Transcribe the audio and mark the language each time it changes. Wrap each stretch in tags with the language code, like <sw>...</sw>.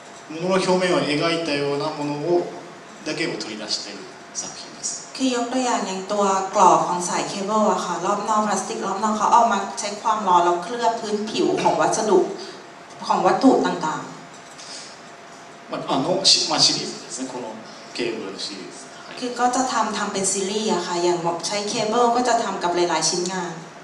<ja>物の表面を描いたようなものをだけを取り出している作品です。</ja> <th>คือยกตัวอย่างอย่างตัวกรอบของสายเคเบิลอะค่ะรอบนอกพลาสติกรอบนอกเขาเอามาใช้ความร้อนแล้วเคลือบพื้นผิวของวัสดุของวัตถุต่าง</th> <ja>ๆ まああのまあシリーズですねこのケーブルのシリーズ</ja> <th>คือก็จะทำเป็นซีรีส์อะค่ะอย่างใช้เคเบิลก็จะทำกับหลายๆชิ้นงาน</th>